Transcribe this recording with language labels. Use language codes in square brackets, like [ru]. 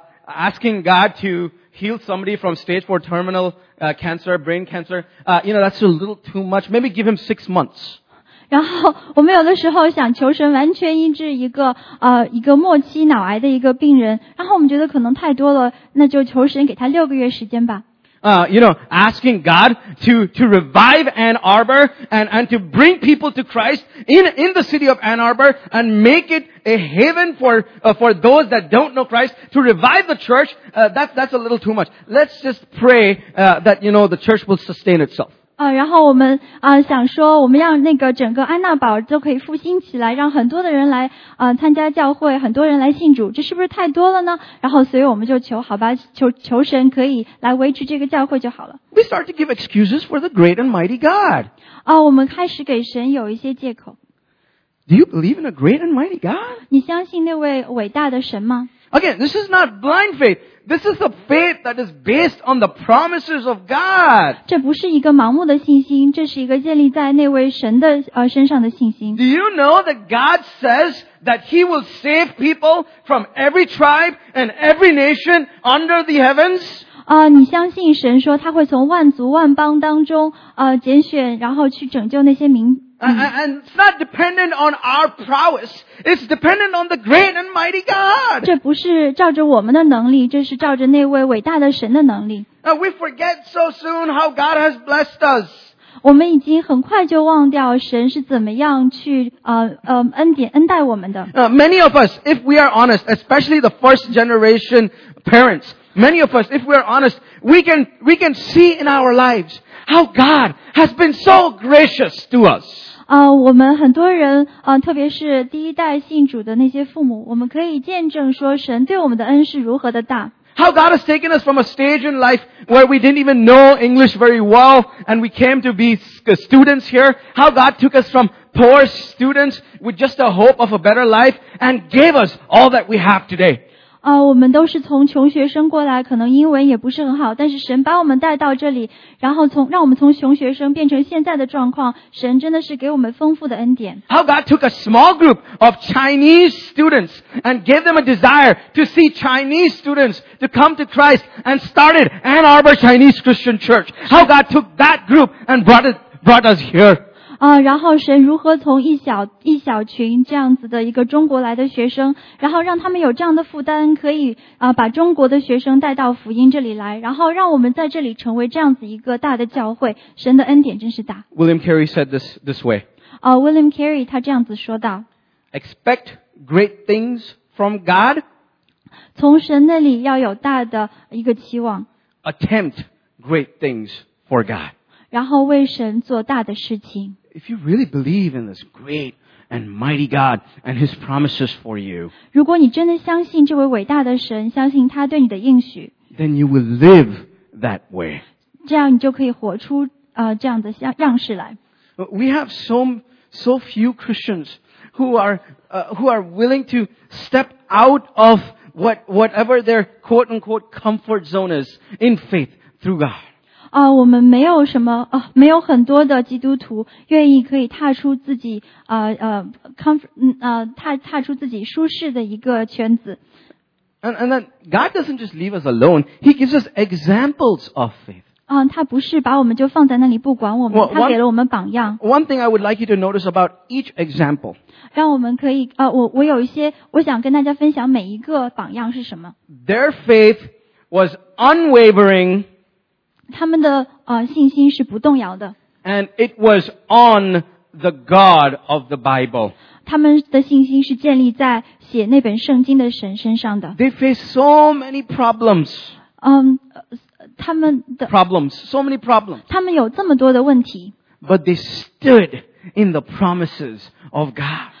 [en] Asking God to heal somebody from stage 4 terminal cancer, brain cancer, you know, that's a little too much. Maybe give him 6 months. [zh] 然后我们有的时候想求神完全医治一个末期脑癌的一个病人，然后我们觉得可能太多了，那就求神给他6个月时间吧。 [en] Asking God to revive Ann Arbor and to bring people to Christ in the city of Ann Arbor and make it a haven for those that don't know Christ, to revive the church, that's a little too much. Let's just pray, that, you know, the church will sustain itself. [zh] 然后我们想说我们让那个整个安娜堡都可以复兴起来，让很多的人来参加教会，很多人来信主，这是不是太多了呢？然后所以我们就求，好吧，求神可以来维持这个教会就好了。 [en] We start to give excuses for the great and mighty God. [zh] 我们开始给神有一些借口。 [en] Do you believe in a great and mighty God? [zh] 你相信那位伟大的神吗？ [en] Again, this is not blind faith. This is a faith that is based on the promises of God. [zh] 这不是一个盲目的信心，这是一个建立在那位神的身上的信心。 [en] Do you know that God says that He will save people from every tribe and every nation under the heavens? [zh] 你相信神说他会从万族万邦当中拣选，然后去拯救那些民。 [en] And it's not dependent on our prowess. It's dependent on the great and mighty God. [zh] 这不是照着我们的能力，这是照着那位伟大的神的能力。 [en] We forget so soon how God has blessed us. [zh] 我们已经很快就忘掉神是怎么样去恩待我们的。 [en] Many of us, if we are honest, especially the first generation parents, many of us, if we are honest, we can see in our lives. How God has been so gracious to us. [zh] 我们很多人特别是第一代信主的那些父母，我们可以见证说神对我们的恩是如何的大。 [en] How God has taken us from a stage in life where we didn't even know English very well and we came to be students here. How God took us from poor students with just a hope of a better life and gave us all that we have today. [zh] 我们都是从穷学生过来，可能英文也不是很好，但是神把我们带到这里，然后让我们从穷学生变成现在的状况，神真的是给我们丰富的恩典。 [en] How God took a small group of Chinese students and gave them a desire to see Chinese students to come to Christ and started Ann Arbor Chinese Christian Church. How God took that group and brought us here. [zh] 然后神如何从一小群这样子的一个中国来的学生，然后让他们有这样的负担，可以把中国的学生带到福音这里来，然后让我们在这里成为这样子一个大的教会，神的恩典真是大。 [en] William Carey said this way. [zh] William Carey 他这样子说道。 [en] Expect great things from God. [zh] 从神那里要有大的一个期望。 [en] Attempt great things for God. [zh] 然后为神做大的事情。 [en] If you really believe in this great and mighty God and His promises for you, [zh] 如果你真的相信这位伟大的神，相信他对你的应许， [en] then you will live that way. [zh] 这样你就可以活出这样的样式来。 [en] We have so few Christians who are willing to step out of whatever their quote unquote comfort zone is in faith through God. [zh] 我们没有什么没有很多的基督徒愿意可以踏出自己踏出自己舒适的一个圈子。 [en] And then God doesn't just leave us alone, He gives us examples of faith. [zh] 他不是把我们就放在那里不管我们，他给了我们榜样。 [en] One thing I would like you to notice about each example. [zh] 让我们可以我有一些我想跟大家分享每一个榜样是什么。 [en] Their faith was unwavering. [zh] 他们的信心是不动摇的。 [en] And it was on the God of the Bible. [zh] 他们的信心是建立在写那本圣经的神身上的。 [en] They faced so many problems. [zh] 他们的 [en] problems, so many problems. [zh] 他们有这么多的问题。 [en] But they stood in the promises of God.